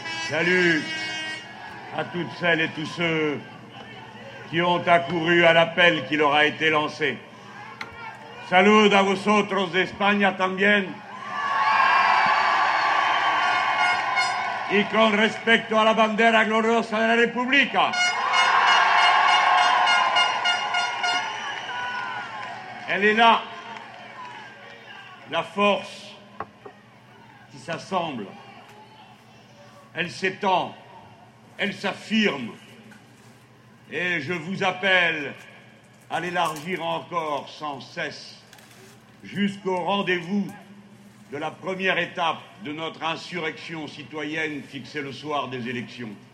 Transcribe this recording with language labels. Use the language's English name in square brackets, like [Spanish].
[French] Salut à toutes celles et tous ceux qui ont accouru à l'appel qui leur a été lancé. [Spanish] Salud a vosotros de España también. Y con respecto a la bandera gloriosa de la República. [French] Elle est là, la force qui s'assemble. Elle s'étend, elle s'affirme. Et je vous appelle à l'élargir encore sans cesse jusqu'au rendez-vous de la première étape de notre insurrection citoyenne fixée le soir des élections.